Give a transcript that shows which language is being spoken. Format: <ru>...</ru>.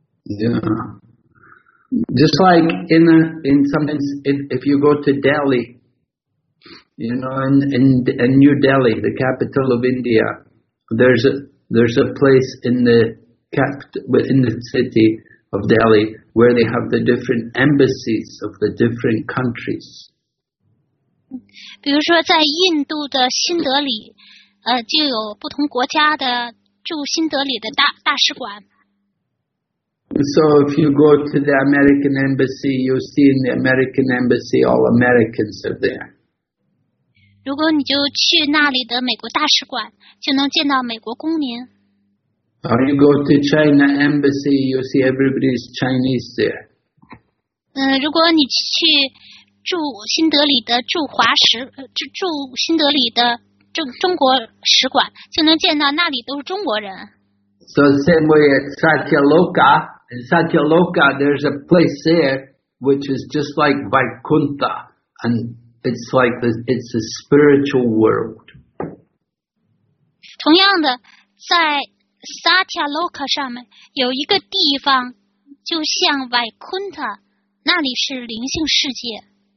<en>Yeah, just like in sometimes if you go to Delhi, you know, in New Delhi, the capital of India, there's a place in the city of Delhi where they have the different embassies of the different countries.</en> <zh>比如说在印度的新德里就有不同国家的驻新德里的大使馆。</zh> <en>So if you go to the American embassy, you'll see in the American embassy all Americans are there.</en> <zh>如果你就去那里的美国大使馆就能见到美国公民。</zh> <en>Or you go to China embassy, you'll see everybody's Chinese there.</en> <zh>如果你去驻新德里的驻华使驻新德里的中国使馆，就能见到那里都是中国人。</zh> <en>So same way at Satyaloka. In Satyaloka, there's a place there which is just like Vaikuntha, and it's like it's a spiritual world.</en> <zh>同样的，在 Satyaloka 上面有一个地方，就像 Vaikuntha， 那里是灵性世界。</zh>